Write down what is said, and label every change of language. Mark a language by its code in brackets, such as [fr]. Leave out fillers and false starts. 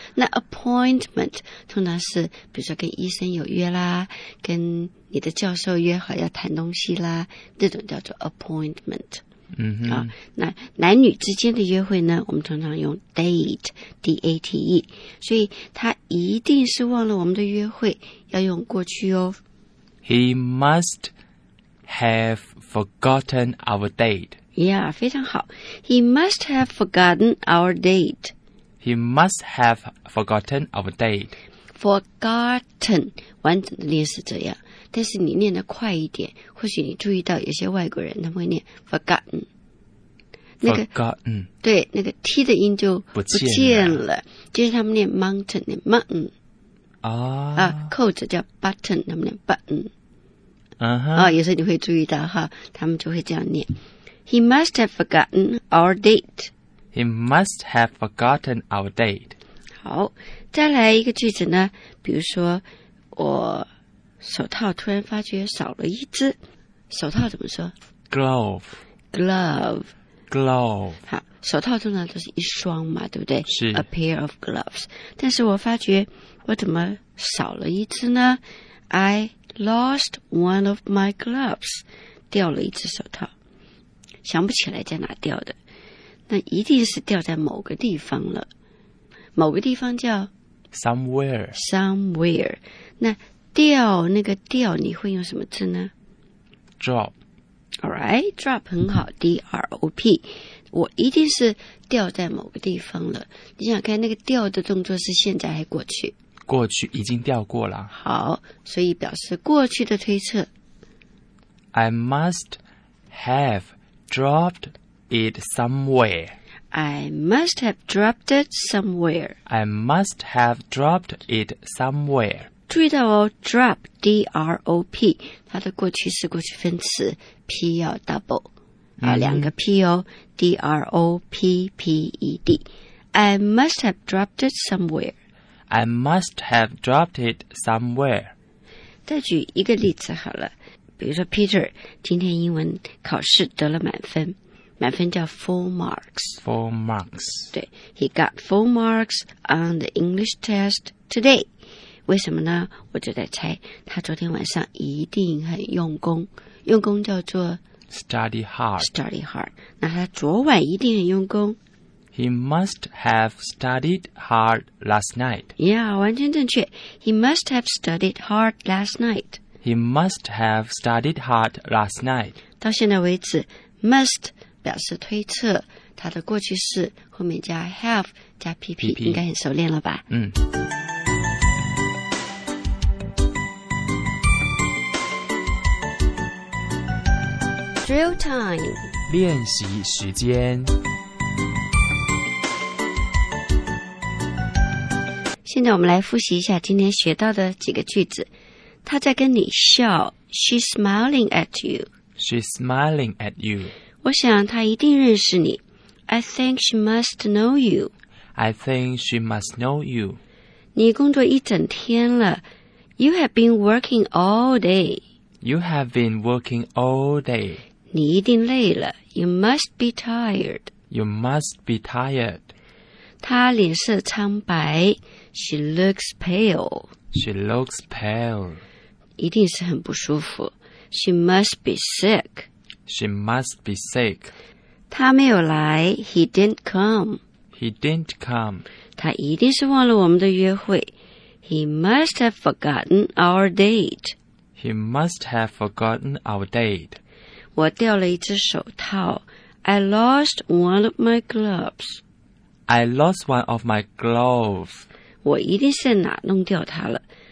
[zh] 那 appointment 通常是比如说跟医生有约啦，跟你的教授约好要谈东西啦，这种叫做 appointment。嗯哼，那男女之间的约会呢，我们通常用 date D-A-T-E， 所以他一定是忘了我们的约会，要用过去哦。 [en] He must have forgotten our date. [zh] Yeah, 非常好。 [en] He must have forgotten our date. He must have forgotten our date. [zh] Forgotten, 完整的念是这样。但是你念得快一点，或许你注意到有些外国人他们会念 forgotten。 [en] Forgotten. [zh] 对，那个 T 的音就不见了，就是他们念 mountain, 念 mountain。啊，扣子叫 button, 他们念 button。 Uh-huh. 有时候你会注意到哈，他们就会这样念。 [en] He must have forgotten our date. He must have forgotten our date. [zh] 好，再来一个句子呢，比如说我手套突然发觉少了一只，手套怎么说 [en] ？Glove. Glove. Glove. [zh] 好，手套通常都是一双嘛，对不对？是。 [en] A pair of gloves. [zh] 但是我发觉我怎么少了一只呢 ？ [en] I lost one of my gloves. [zh] 掉了一只手套。想不起来在哪掉的，那一定是掉在某个地方了。某个地方叫 [en] somewhere。 somewhere。 [zh] 那掉那个掉，你会用什么字呢 [en] ？drop。 All right, drop [zh] 很好 [en] ，D R O P。 [zh] 我一定是掉在某个地方了。你想看那个掉的动作是现在还过去？过去已经掉过了。好，所以表示过去的推测。 [en] I must have. Dropped it somewhere. I must have dropped it somewhere. I must have dropped it somewhere. [zh] 注意到哦 ，drop D R O P， 它的过去式过去分词 P 要 double 两个 P 哦 ，D R O P P E D. [en] I must have dropped it somewhere. I must have dropped it somewhere. [zh] 再举一个例子好了。比如说 Peter 今天英文考试得了满分，满分叫 full marks。 [en] full marks。对 ，He got full marks on the English test today。 [zh] 为什么呢？我就在猜，他昨天晚上一定很用功。用功叫做 [en] study hard。 study hard。 [zh] 那他昨晚一定很用功。 [en] He must have studied hard last night。 [zh] Yeah， 完全正确。 [en] He must have studied hard last night。 He must have studied hard last night. [zh] 到现在为止 ,must 表示推测它的过去式后面加 have 加 PP, 应该很熟练了吧。嗯。 [en] Drill time. [zh] 练习时间。现在我们来复习一下今天学到的几个句子。他在跟你笑 [en] She's smiling at you. She's smiling at you. [zh] 我想他一定认识你 [en] I think she must know you. I think she must know you. [zh] 你工作一整天了 [en] You have been working all day. You have been working all day. [zh] 你一定累了 [en] You must be tired. You must be tired. [zh] 他脸色苍白 [en] She looks pale. She looks pale. [zh] 一定是很不舒服。 [en] She must be sick. She must be sick. [zh] 他没有来。 [en] He didn't come. He didn't come. [zh] 他一定是忘了我们的约会。 [en] He must have forgotten our date. He must have forgotten our date. [zh] 我掉了一只手套。 [en] I lost one of my gloves. I lost one of my gloves. [zh] 我一定是哪弄掉它了。